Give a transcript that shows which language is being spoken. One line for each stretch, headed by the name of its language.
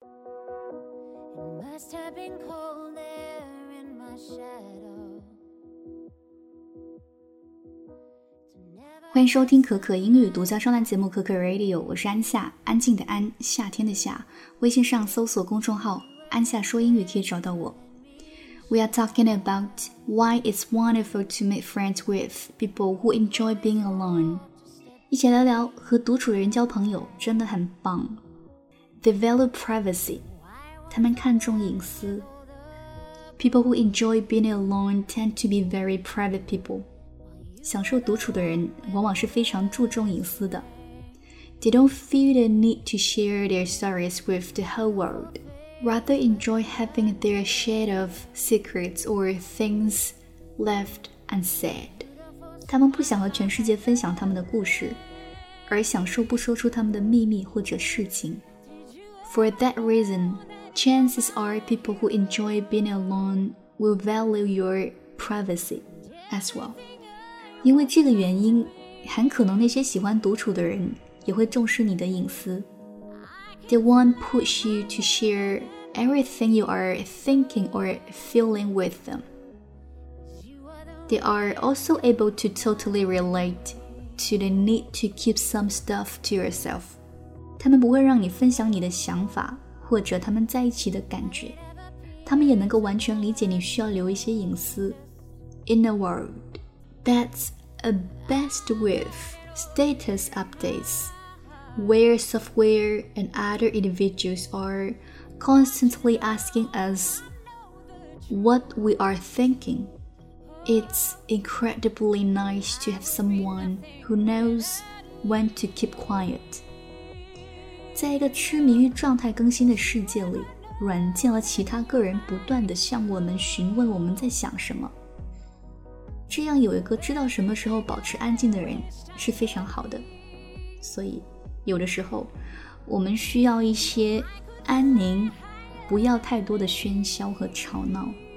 English: chest had been cold there in my shadow.
Chinese: 欢迎收听可可英语独家专栏节目可可 Radio， 我是安夏，安静的安，夏天的夏。微信上搜索公众号安夏说英语可以找到我。
English: We are talking about why it's wonderful to make friends with people who enjoy being alone.
Chinese: 一起聊聊和独处人交朋友真的很棒。
English: They value privacy，
Chinese: 他们看重隐私。
English: People who enjoy being alone tend to be very private people.
Chinese: 享受独处的人往往是非常注重隐私的。
English: They don't feel the need to share their stories with the whole world. Rather enjoy having their share of secrets or things left unsaid.
Chinese: 他们不想和全世界分享他们的故事，而享受不说出他们的秘密或者事情。
English: For that reason, chances are people who enjoy being alone will value your privacy as well.
Chinese: 因为这个原因，很可能那些喜欢独处的人也会重视你的隐私。
English: They won't push you to share everything you are thinking or feeling with them. They are also able to totally relate to the need to keep some stuff to yourself.
Chinese: 他们不会让你分享你的想法或者他们在一起的感觉。他们也能够完全理解你需要留一些隐私。
English: In a word,That's a best with status updates, where software and other individuals are constantly asking us what we are thinking. It's incredibly nice to have someone who knows when to keep quiet.
Chinese: 在一个痴迷于状态更新的世界里，软件和其他个人不断地向我们询问我们在想什么。这样有一个知道什么时候保持安静的人是非常好的，所以有的时候我们需要一些安宁，不要太多的喧嚣和吵闹。